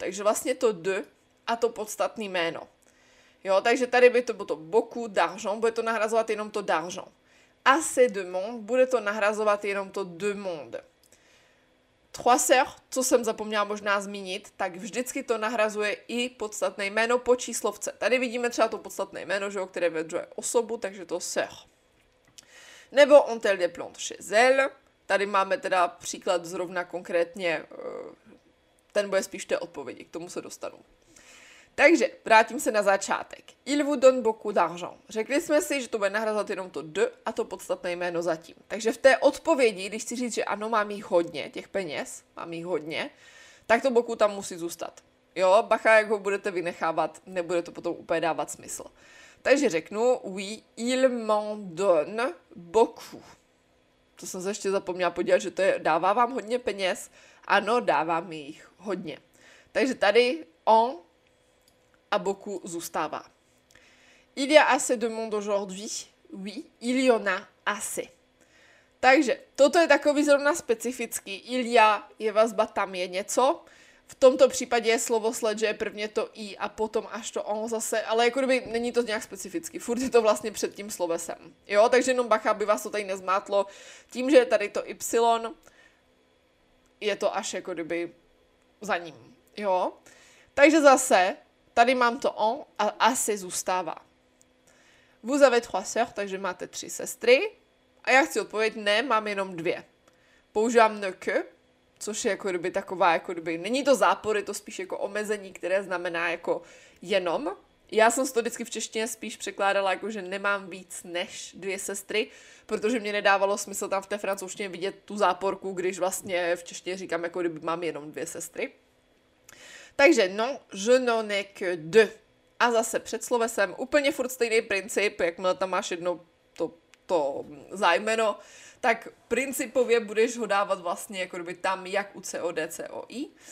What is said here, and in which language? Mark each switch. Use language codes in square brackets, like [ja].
[cs] Takže vlastně to de a to podstatné jméno. Jo, takže tady by to bylo [fr] beaucoup d'argent, [cs] bude to nahrazovat jenom to d'argent. [fr] Assez de monde, [cs] bude to nahrazovat jenom to [fr] de monde. Trois sœurs, [cs] co jsem zapomněla možná zmínit, tak vždycky to nahrazuje i podstatné jméno po číslovce. Tady vidíme třeba to podstatné jméno, že jo, které vyjadřuje osobu, takže to sœur. Nebo [fr] on telle des plantes chez elle. [cs] Tady máme teda příklad zrovna konkrétně, ten bude spíš té odpovědi, k tomu se dostanu. Takže, vrátím se na začátek. [fr] Il vous donne beaucoup d'argent. [cs] Řekli jsme si, že to bude nahrazovat jenom to de a to podstatné jméno zatím. Takže v té odpovědi, když chci říct, že ano, mám jich hodně, těch peněz, mám jich hodně, tak to beaucoup tam musí zůstat. Jo, bacha, jak ho budete vynechávat, nebude to potom úplně dávat smysl. Takže řeknu, [fr] oui, il m'en donne beaucoup. [cs] To jsem se ještě zapomněla podívat, že to je, dává vám hodně peněz. Ano, dávám jich hodně. Takže tady on a beaucoup zůstává. [fr] Il y a assez de monde aujourd'hui? Oui, il y en a assez. [cs] Takže, toto je takový zrovna specifický. [fr] Il y a, [cs] je vazba, tam je něco. v tomto případě je slovosled, že je prvně to i a potom až to on zase, ale jako kdyby není to nějak specificky, furt je to vlastně před tím slovesem, jo, takže jenom bacha, aby vás to tady nezmátlo, tím, že je tady to y, je to až jako kdyby za ním, jo, takže zase, tady mám to on a asi zůstává. [fr] Vous avez trois sœurs, [cs] takže máte tři sestry. A já chci odpověď, ne, mám jenom dvě. Používám ne que, což je jako kdyby taková, jako kdyby, není to zápor, je to spíš jako omezení, které znamená jako jenom. Já jsem to vždycky v češtině spíš překládala jako, že nemám víc než dvě sestry, protože mě nedávalo smysl tam v té francouzštině vidět tu záporku, když vlastně v češtině říkám, jako kdyby mám jenom dvě sestry. Takže [fr] non, je n'en ai que deux. [cs] A zase před slovesem, úplně furt stejný princip, jakmile tam máš jedno to zájmeno, tak principově budeš ho dávat vlastně jako kdyby tam, jak u COD, COI.